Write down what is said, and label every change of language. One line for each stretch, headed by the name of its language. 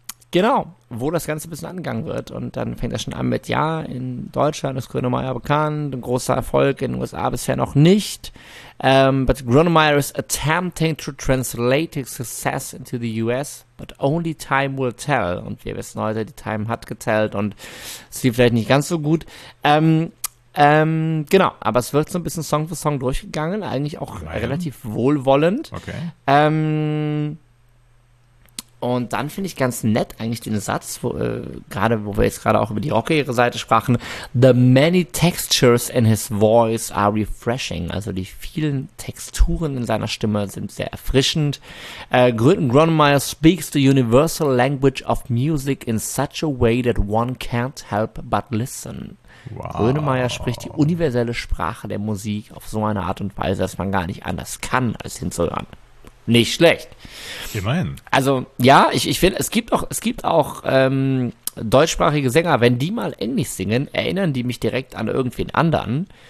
German: Genau, wo das Ganze ein bisschen angegangen wird. Und dann fängt er schon an mit, ja, in Deutschland ist Grönemeyer bekannt, ein großer Erfolg, in den USA bisher noch nicht.
English: But Grönemeyer is attempting to translate his success into the US, but only time will tell.
German: Und wir wissen heute, die Time hat getellt und es lief vielleicht nicht ganz so gut. Genau, aber es wird so ein bisschen Song für Song durchgegangen, eigentlich auch relativ wohlwollend. Okay. Und dann finde ich ganz nett eigentlich den Satz, wo wir jetzt gerade auch über die rockigere Seite sprachen.
English: The many textures in his voice are refreshing.
German: Also die vielen Texturen in seiner Stimme sind sehr erfrischend.
English: Grönemeyer speaks the universal language of music in such a way that one can't help but listen. Wow.
German: Grönemeyer spricht die universelle Sprache der Musik auf so eine Art und Weise, dass man gar nicht anders kann, als hinzuhören. Nicht schlecht. Immerhin. Also, ja, ich finde, es gibt auch deutschsprachige Sänger, wenn die mal Englisch singen, erinnern die mich direkt an irgendwen anderen.